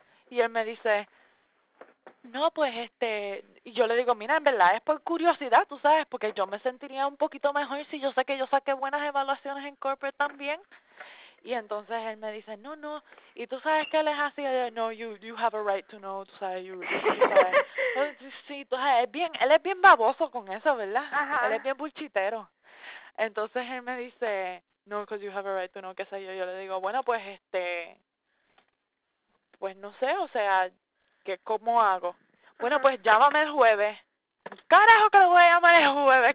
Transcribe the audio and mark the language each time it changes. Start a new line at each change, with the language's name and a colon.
Spanish: Y él me dice, no, pues, y yo le digo, mira, en verdad es por curiosidad, tú sabes, porque yo me sentiría un poquito mejor si yo sé que yo saqué buenas evaluaciones en corporate también. Y entonces él me dice, no, no. ¿Y tú sabes qué él es así?
English: Yo, no, you have a right to know,
Spanish: tú sabes,
English: you sabes.
Spanish: Sí, tú sabes, él es bien baboso con eso, ¿verdad? Ajá. Él es bien buchitero. Entonces él me dice, no,
English: because you have a right to know,
Spanish: qué sé yo. Yo le digo, bueno, pues, pues no sé, o sea, ¿qué, cómo hago? Bueno, pues llámame el jueves. ¡Carajo que lo voy a llamar el jueves!